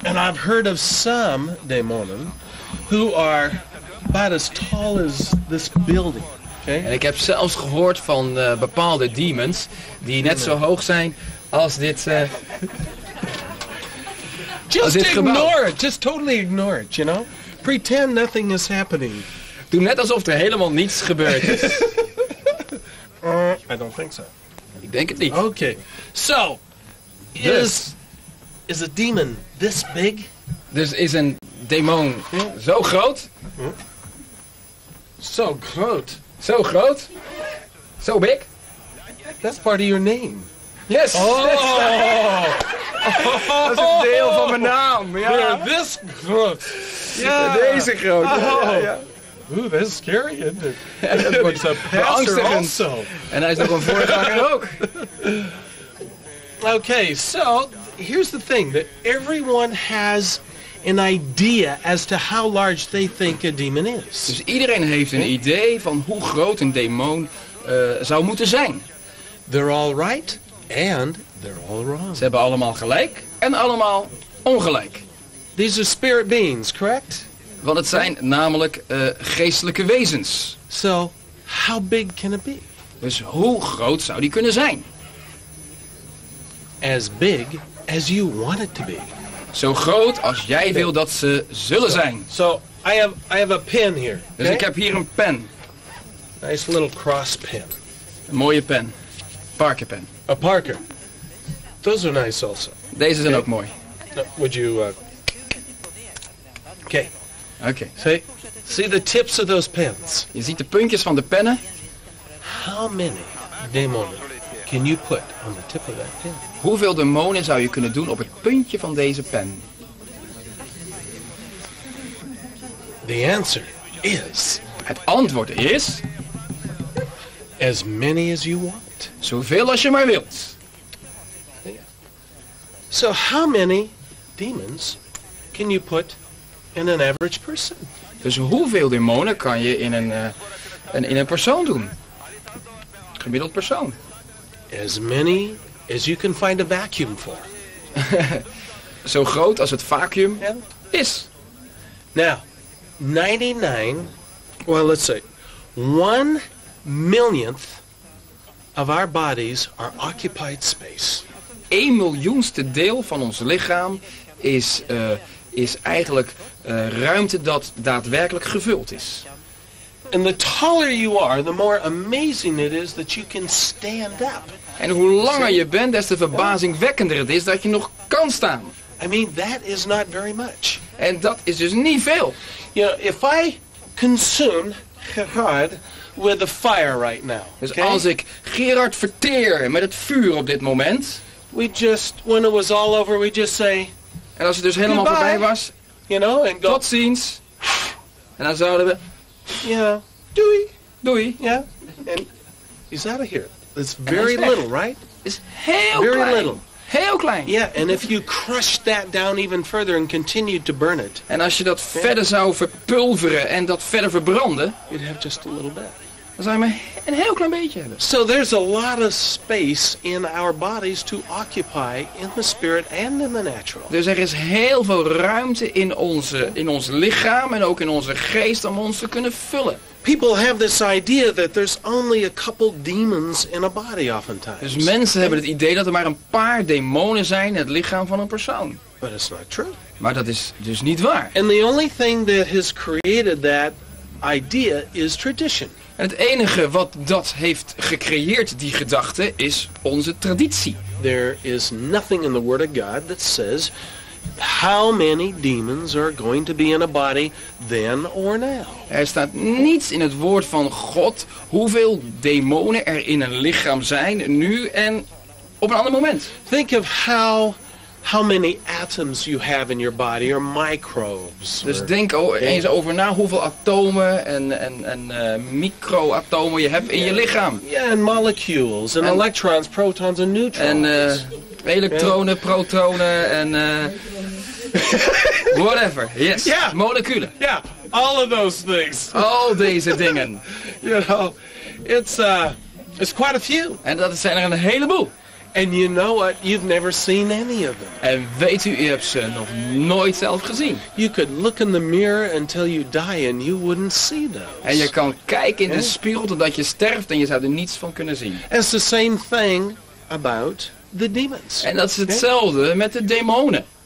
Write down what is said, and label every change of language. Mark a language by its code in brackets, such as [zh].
[en] And I've heard of some demonen who are about as tall as this building. Okay. [nl] En ik heb zelfs gehoord van bepaalde demons die net zo hoog zijn als dit. [en] Just ignore it. Just totally ignore it, you know? Pretend nothing is happening. [nl] Doe net alsof er helemaal niets gebeurd is. [en] I don't think so. [nl] Ik denk het niet. [en] Oké. Okay. So, is a demon this big? [nl] Dus is een demon zo groot? Zo groot. Zo groot? Zo big? [en] That's part of your name. Yes! [nl] Dat is een deel van mijn naam. Ja. [en] This groot. [nl] Yeah. Deze groot. Oeh, dat is [en] scary, isn't it? [nl] Dat is een pastor [en] also. [nl] En hij is nog een voorganger ook. [en] Okay, so here's the thing that everyone has an idea as to how large they think a demon is. [nl] Dus iedereen heeft een idee van hoe groot een demon zou moeten zijn. [en] They're all right and they're all wrong. [nl] Ze hebben allemaal gelijk en allemaal ongelijk. [en] These are spirit beings, correct? [nl] Want het zijn namelijk geestelijke wezens. [en] So, how big can it be? [nl] Dus hoe groot zou die kunnen zijn? [en] As big as you want it to be. [nl] Zo groot als jij wil dat ze zullen zijn. [en] So, I have a pen here. [nl] Okay? Dus ik heb hier een pen. [en] Nice little cross pen. [nl] Een mooie pen. Parker pen. [en] A Parker. Those are nice also. [nl] Deze zijn ook mooi. [en] Would you... Okay. Okay. See the tips of those pens. [nl] Je ziet de puntjes van de pennen. [en] How many demons can you put on the tip of that pen? [nl] Hoeveel demonen zou je kunnen doen op het puntje van deze pen? [en] The answer is... [nl] Het antwoord is... [en] As many as you want. [nl] Zoveel als je maar wilt. [en] So how many demons can you put in an average person? [nl] Dus hoeveel demonen kan je in een persoon doen? Gemiddeld persoon. [en] As many as you can find a vacuum for. [nl] Zo groot als het vacuüm is. [en] Now, 99, well let's say, 1 millionth of our bodies are occupied space. [nl] 1 miljoenste deel van ons lichaam is eigenlijk ruimte dat daadwerkelijk gevuld is. [en] And the taller you are, the more amazing it is that you can stand up. [nl] En hoe langer je bent, des te verbazingwekkender het is dat je nog kan staan. [en] I mean, that is not very much. [nl] En dat is dus niet veel. [en] You know, if I consume Gerard with the fire right now. [nl] Dus okay? Als ik Gerard verteer met het vuur op dit moment. [en] We just, when it was all over, we just say. [nl] En als het dus helemaal [en] goodbye, [nl] voorbij was. [en] You know, and go. [nl] Tot ziens. En dan zouden we. Yeah. Doei. Doei. [en] Yeah. And he's out of here. It's very little, right? [nl] It's heel [en] very [nl] klein. [en] Little. [nl] Heel klein. [en] Yeah, and if you crush that down even further and continued to burn it. [nl] En als je dat verder zou verpulveren en dat verder verbranden. [en] You'd have just a little bit. [nl] Dan zou je maar een heel klein beetje hebben. [en] So there's a lot of space in our bodies to occupy in the spirit and in the natural. [nl] Dus er is heel veel ruimte in ons lichaam en ook in onze geest om ons te kunnen vullen. [en] People have this idea that there's only a couple demons in a body oftentimes. [nl] Dus mensen hebben het idee dat er maar een paar demonen zijn in het lichaam van een persoon. [en] But it's not true. [nl] Maar dat is dus niet waar. [en] And the only thing that has created that idea is tradition. [nl] En het enige wat dat heeft gecreëerd, die gedachte, is onze traditie. [en] There is nothing in the Word of God that says how many demons are going to be in a body then or now. [nl] Er staat niets in het woord van God hoeveel demonen er in een lichaam zijn nu en op een ander moment. [en] Think of how many atoms you have in your body or microbes. [nl] Dus denk eens over na hoeveel atomen en microatomen je hebt in je lichaam. [en] Ja, yeah, en molecules en electrons, protons en neutrons. [nl] En elektronen, protonen en [en] whatever. Yes. Yeah. [nl] Moleculen. [en] Ja, yeah. All of those things. [nl] Al deze dingen. [en] You know, it's quite a few. [nl] En dat zijn er een heleboel. [en] And you know what? You've never seen any of them. [nl] En weet u hebt ze nog nooit zelf gezien. [en] You could look in the mirror until you die and you wouldn't see those. [nl] En je kan kijken in de spiegel totdat je sterft en je zou er niets van kunnen zien. [en] It's the same thing about the demons. [nl] En dat is hetzelfde met de demonen.